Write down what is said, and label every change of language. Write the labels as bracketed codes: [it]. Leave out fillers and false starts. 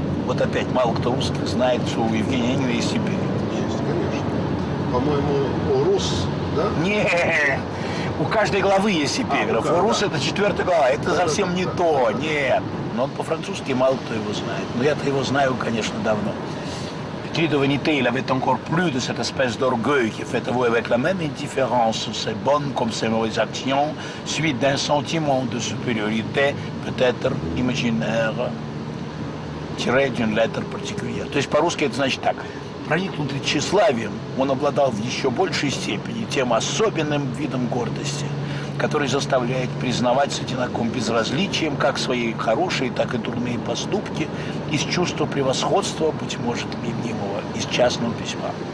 [ru] Вот опять, мало кто русских знает, что у Евгения Онегина есть эпиграф. Есть, конечно. По-моему, рус, да? Нет! У каждой главы есть эпиграф. У Рус это четвертая глава. Это совсем не то. Нет. Но он по-французски мало кто его знает. Но я-то его знаю, конечно, давно. [fr] Petite vanité, il avait encore plus de cette espèce d'orgueil qui fait avouer avec la même indifférence ses bonnes comme ses mauvaises actions, suite d'un sentiment de supériorité, peut-être imaginaire, tiré d'une lettre particulière. [ru] То есть по-русски это значит так. Проникнутый тщеславием, он обладал в еще большей степени тем особенным видом гордости, который заставляет признавать с одинаковым безразличием как свои хорошие, так и дурные поступки из чувства превосходства, быть может, мнимого, из частного письма.